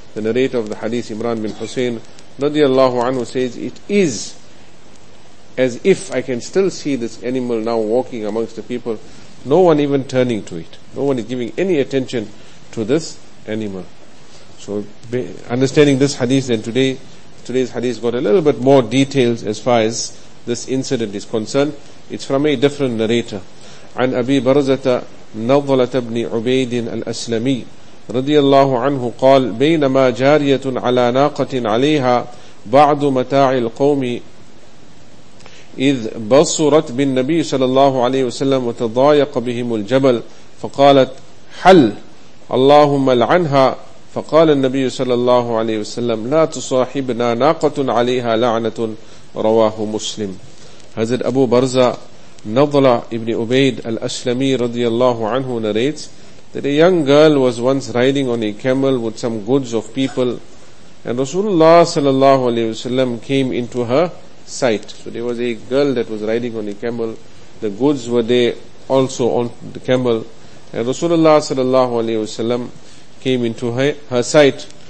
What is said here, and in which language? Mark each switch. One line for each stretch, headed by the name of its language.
English: The narrator of the hadith, Imran bin Hussein radiallahu anhu, says, it is as if I can still see this animal now walking amongst the people, no one even turning to it, no one is giving any attention to this animal. So understanding this hadith, then today's hadith got a little bit more details as far as this incident is concerned. It's from a different narrator.
Arabic: عن أبي برزة نضلة بن عبيد الأسلمي رضي الله عنه قال بينما جارية على ناقة عليها بعض متاع القوم إذ بصرت بالنبي صلى الله عليه وسلم وتضايق بهم الجبل فقالت حل اللهم لعنها فقال النبي صلى الله عليه وسلم لا تصاحبنا ناقة عليها لعنة رواه مسلم.
English: Hazrat Abu Barza Nadla ibn Ubaid al-Aslami radiallahu anhu narrates that a young girl was once riding on a camel with some goods of people, and Rasulullah sallallahu alayhi wasallam came into her sight. So there was a girl that was riding on a camel, the goods were there also on the camel, and Rasulullah sallallahu alayhi wasallam came into her sight.